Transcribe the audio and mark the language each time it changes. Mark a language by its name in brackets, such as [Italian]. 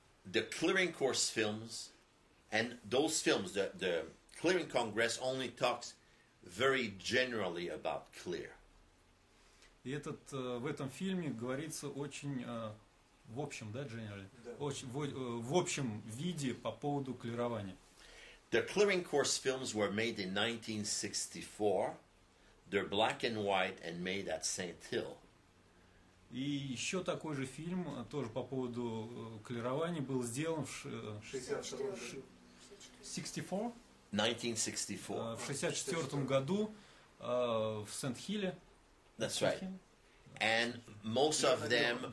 [English] The Clearing Course films and those films, the Clearing Congress only talks very generally about clear. [Russian] И этот, в этом фильме говорится очень в общем, да, дженерале? Да. Очень, в общем виде по поводу клирования. [English] The Clearing Course films were made in 1964. They're black and white and made at St. Hill. [Russian] И еще такой же фильм, тоже по поводу клирования, был сделан в 1964 году в Сент-Хилле. [English] That's right. And most of them...